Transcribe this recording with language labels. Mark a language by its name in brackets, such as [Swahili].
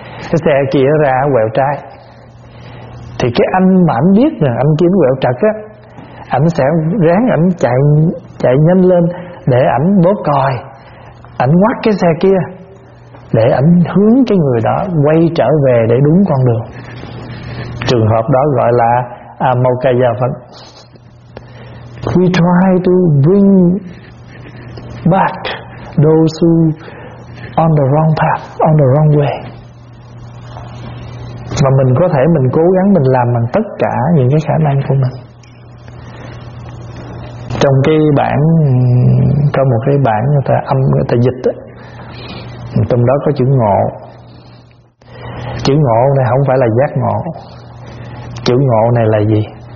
[Vietnamese] Cái xe kia ra quẹo trái, thì cái anh mà anh biết là anh kiếm quẹo trật á, anh sẽ ráng ảnh chạy nhanh lên để ảnh bóp còi, ảnh quắt cái xe kia để ảnh hướng cái người đó quay trở về để đúng con đường. Trường hợp đó gọi là amokaya phấn. [English] We try to bring back those who on the wrong path, on the wrong way. [Vietnamese] Mà mình có thể mình cố gắng mình làm bằng tất cả những cái khả năng của mình. Trong cái bản, trong một cái bản người ta âm, người ta dịch á, trong đó có chữ ngộ. Chữ ngộ này không phải là giác ngộ. Chữ ngộ này là gì?